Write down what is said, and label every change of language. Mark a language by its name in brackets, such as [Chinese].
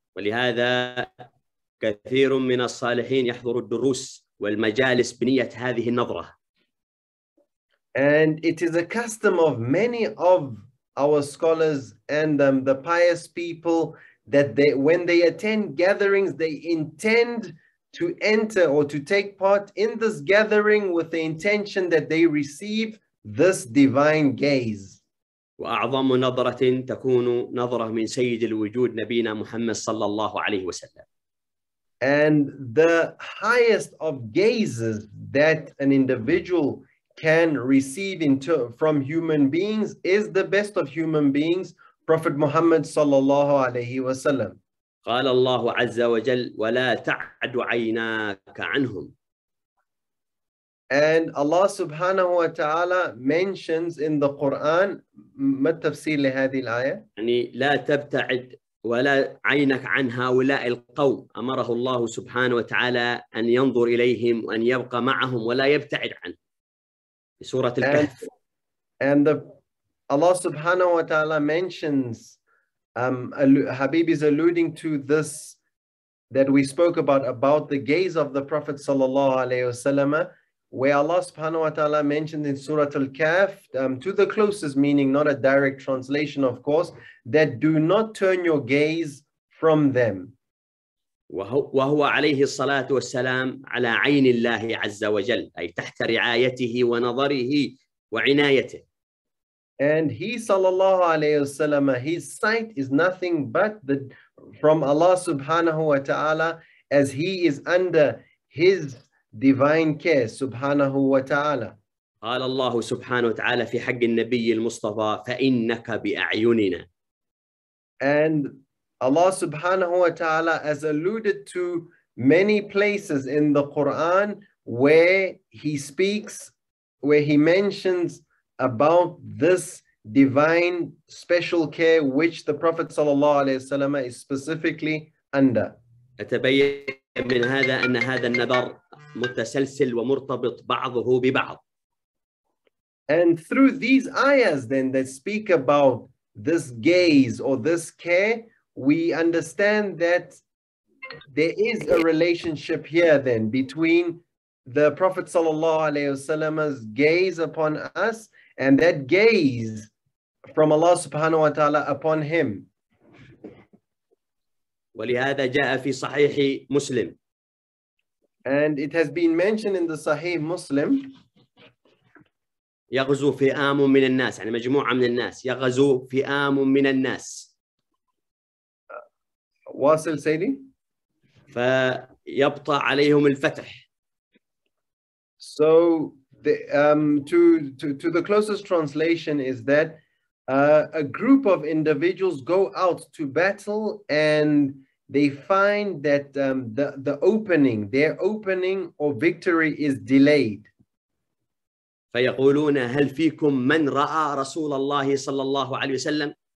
[Arabic] ولهذا كثير من الصالحين يحضر الدروس والمجالس بنية هذه النظرة. [English] And it is a custom of many of our scholars and the pious people that they, when they attend gatherings, they intend to enter or to take part in this gathering with the intention that they receive this divine gaze. [Arabic] وأعظم نظرة تكون نظرة من سيد الوجود نبينا محمد صلى الله عليه وسلم. [English] And the highest of gazes that an individual can receive into from human beings is the best of human beings, Prophet Muhammad صلى الله عليه وسلم. [Arabic] قال الله عز وجل ولا تعد عيناك عنهم. [English] And Allah subhanahu wa ta'ala mentions in the Quran, [Arabic] ما التفسير لهذه الآية؟ يعني لا تبتعد ولا عينك عن هؤلاء القوم. أمره الله سبحانه وتعالى أن ينظر إليهم وأن يبقى معهم ولا يبتعد عنهم. سورة الكهف. [English] And Allah subhanahu wa ta'ala mentions, Habib is alluding to this that we spoke about the gaze of the Prophet sallallahu alayhi wasallam, where Allah subhanahu wa ta'ala mentioned in Surah Al-Kahf, to the closest meaning, not a direct translation of course, that do not turn your gaze from them. [Arabic] وهو عليه الصلاة والسلام على عين الله عز وجل أي تحت رعايته ونظره وعنايته. [English] And he, sallallahu alayhi wa sallam, his sight is nothing but the from Allah subhanahu wa ta'ala, as he is under his divine care, subhanahu wa ta'ala. [Arabic] قال الله سبحانه وتعالى في حق النبي المصطفى فإنك بأعيننا. [English] And Allah subhanahu wa ta'ala has alluded to many places in the Quran where he mentions about this divine special care which the Prophet sallallahu alaihi wasallam is specifically under. [Arabic] أتبين من هذا أن هذا النظر متسلسل ومرتبط بعضه ببعض. [English] And through these ayahs then that speak about this gaze or this care, we understand that there is a relationship here then between the Prophet sallallahu alaihi wasallam's gaze upon us and that gaze from Allah subhanahu wa ta'ala upon him. [Arabic] ولهذا جاء في صحيح مسلم. [English] And it has been mentioned in the Sahih Muslim. [Arabic] يغزو فئام من الناس يعني مجموعة من الناس يغزو فئام من الناس. واصل سيدي. فيبطى عليهم الفتح. [English] So the to the closest translation is that a group of individuals go out to battle and they find that the opening, their opening or victory is delayed. [Arabic] فيقولون هل فيكم من رأى رسول الله صلى الله عليه وسلم؟